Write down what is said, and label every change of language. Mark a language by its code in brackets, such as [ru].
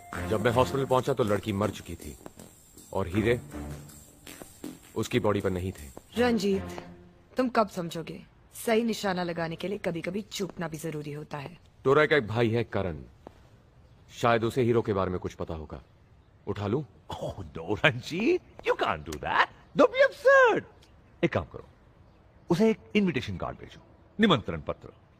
[hi] जब मैं हॉस्पिटल पहुंचा तो लड़की मर चुकी थी और हीरे उसकी बॉडी पर नहीं थे। रंजीत तुम कब समझोगे, सही निशाना लगाने के लिए कभी कभी चूकना भी जरूरी होता है। तोरा का एक भाई है करण, शायद उसे हीरो के बारे में कुछ पता होगा, उठा लूं? [en] Oh, no, Ranjit, you can't do that. Don't be absurd. [hi] एक काम करो, उसे एक इनविटेशन कार्ड भेजो, निमंत्रण पत्र।